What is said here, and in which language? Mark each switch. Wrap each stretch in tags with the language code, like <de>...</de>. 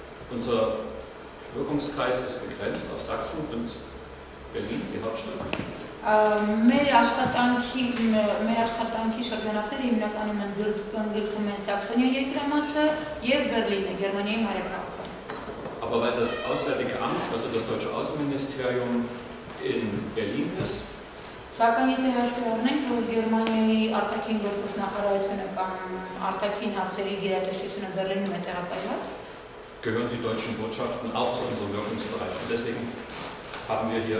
<de>Unser Wirkungskreis ist begrenzt auf Sachsen und Berlin, die Hauptstadt.</de> <hy>Մեր աշխատանքի շրջանակները հիմնականում են գտնվում են Սաքսոնիա երկրամասը և Բեռլինը, Գերմանիայի հարևանությամբ։</hy> <de>Aber weil das Auswärtige Amt, also das deutsche Außenministerium in Berlin ist, ist gehören die deutschen Botschaften auch zu unserem Wirkungsbereich. Und deswegen haben wir hier.</de>